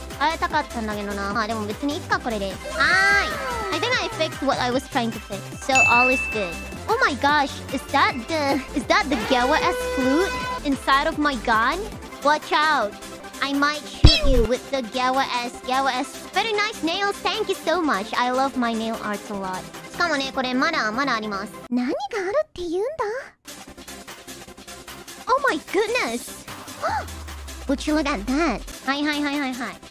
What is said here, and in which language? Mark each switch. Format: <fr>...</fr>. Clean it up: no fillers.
<ja>会いたかったんだけどな。まあでも別にいっか、これで。はーい。</ja> <en>I think I fixed what I was trying to fix. So all is good. Oh my gosh, is that the Gewa-S flute inside of my gun? Watch out. I might shoot you with the Gewa-S. Very nice nails. Thank you so much. I love my nail arts a lot.</en> <ja>しかもね、これまだあります。何があるって言うんだ</ja> <en>？Oh my goodness! Would you look at that?</en> <ja>はいはいはいはいはい。</ja>